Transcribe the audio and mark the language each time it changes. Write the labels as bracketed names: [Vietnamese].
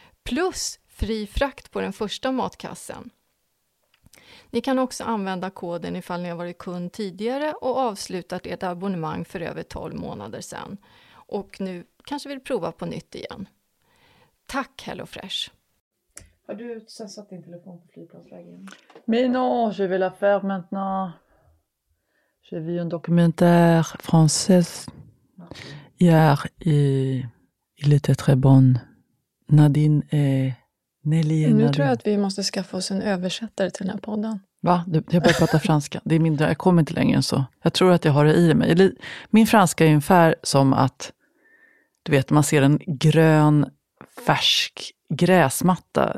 [Swedish] Plus fri frakt på den första matkassen. Ni kan också använda koden ifall ni har varit kund tidigare och avslutat ert abonnemang för över 12 månader sedan. Och nu kanske vill prova på nytt igen. Tack HelloFresh! Har du satt din telefon på flygplansvägen? [French] Mais non, je vais la faire maintenant. J'ai vu un documentaire français hier et il était très bon. Nadine et Nelly. Et [Swedish] nu [French] Nadine. [Swedish] Tror jag att vi måste skaffa oss en översättare till den här podden. Va? Jag börjar prata franska. Det är mindre, jag kommer inte längre än så. Jag tror att jag har det i mig. Min franska är ungefär som att, du vet, man ser en grön, färsk gräsmatta.